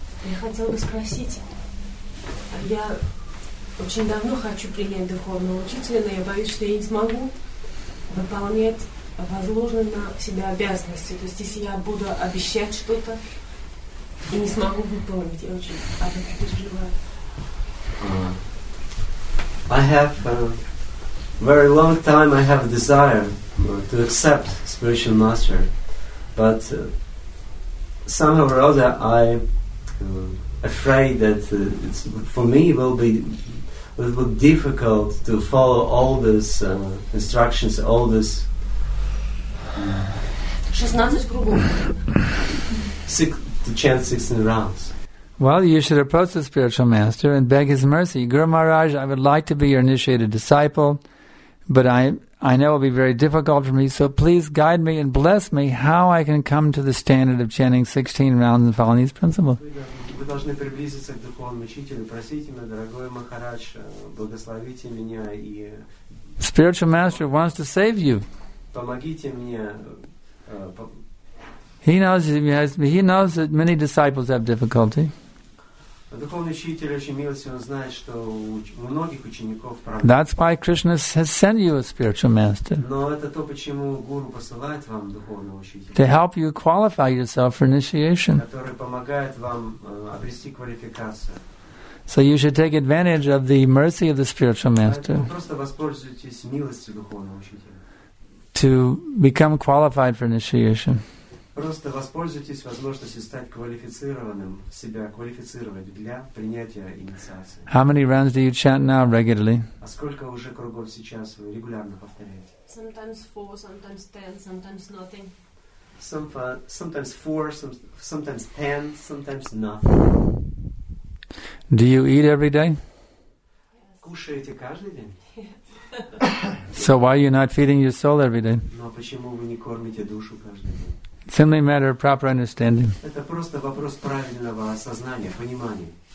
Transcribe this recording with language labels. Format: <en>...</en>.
<ru>Я хотела бы спросить, я очень давно хочу принять духовного учителя, но я боюсь, что я не смогу выполнять возложенные на себя обязанности. То есть если я буду обещать что-то и не смогу выполнить, я очень об этом переживаю.</ru> <en>I have very long time I have a desire to accept spiritual master, but somehow or other I afraid that it's, for me it will be difficult to follow all these instructions, all this</en> <ru>16 кругов.</ru> <en>To chant 16 rounds. Well, you should approach the spiritual master and beg his mercy. Guru Maharaj, I would like to be your initiated disciple, but I know it will be very difficult for me, so please guide me and bless me how I can come to the standard of chanting 16 rounds and following these principles.</en> <ru>Вы должны приблизиться к духовному учителю, просить меня, дорогой Махарадж, благословите меня и...</ru> <en>Spiritual master wants to save you.</en> <ru>Помогите мне...</ru> <en>He knows that many disciples have difficulty.</en> <ru>Духовный учитель очень милостив, он знает, что у многих учеников проблемы.</ru> <en>That's why Krishna has sent you a spiritual master.</en> <ru>Но это то, почему гуру посылает вам духовного учителя.</ru> <en>To help you qualify yourself for initiation.</en> <ru>Который помогает вам обрести квалификацию.</ru> <en>So you should take advantage of the mercy of the spiritual master.</en> <ru>Просто воспользуйтесь милостью духовного учителя.</ru> <en>To become qualified for initiation.</en> <ru>Просто воспользуйтесь возможностью стать квалифицированным, себя квалифицировать для принятия инициации.</ru> <en>How many rounds do you chant now regularly?</en> <ru>А сколько уже кругов сейчас вы регулярно повторяете?</ru> <en>Sometimes 4, sometimes 10, sometimes nothing. Sometimes 4, sometimes 10, sometimes nothing. Do you eat every day?</en> <ru>Кушаете каждый день?</ru> <en>So why are you not feeding your soul every day?</en> <ru>Но почему вы не кормите душу каждый день?</ru> <en>It's only a matter of proper understanding.</en> <ru>Это просто вопрос правильного осознания, понимания.</ru>